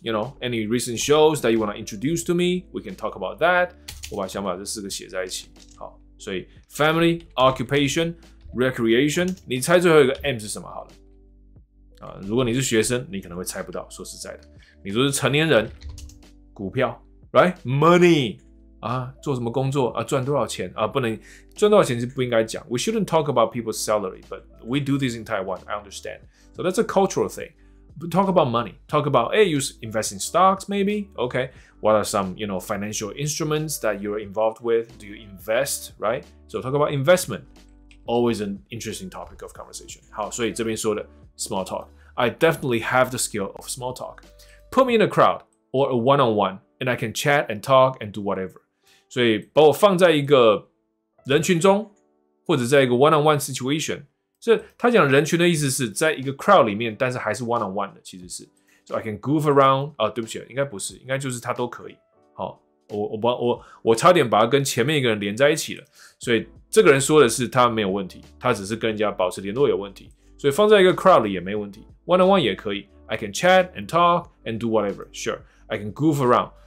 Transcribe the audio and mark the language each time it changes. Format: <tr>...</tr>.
<en>You know, any recent shows that you want to introduce to me? We can talk about that.</en> <zh>我把想把这四个写在一起。</zh> <en>好，所以 family, occupation, recreation.</en> <zh>你猜最后一个 M 是什么？好了，如果你是学生，你可能会猜不到。说实在的，你说是成年人，股票 ，right?</zh> <en>Money.</en> <zh>做什么工作赚多少钱不能赚多少钱是不应该讲。</zh> <en>We shouldn't talk about people's salary, but we do this in Taiwan. I understand. So that's a cultural thing.、But、talk about money. Talk about, hey, you invest in stocks, maybe. Okay. What are some, you know, financial instruments that you're involved with? Do you invest, right? So talk about investment. Always an interesting topic of conversation.</en> <zh>好，所以这边说的 small talk.</zh> <en>I definitely have the skill of small talk. Put me in a crowd or a one-on-one, and I can chat and talk and do whatever.</en> <zh>所以把我放在一个人群中，或者在一个</zh> <en>one-on-one situation，</en> <zh>所以他讲人群的意思是在一个 crowd 里面，但是还是 one-on-one 的，其实是。</zh> <en>So I can goof around，</en> <zh>对不起，应该不是，应该就是他都可以。好，我差点把他跟前面一个人连在一起了。所以这个人说的是他没有问题，他只是跟人家保持联络有问题。所以放在一个 crowd 里也没问题 ，one-on-one 也可以。</zh> <en>I can chat and talk and do whatever， sure， I can goof around。</en>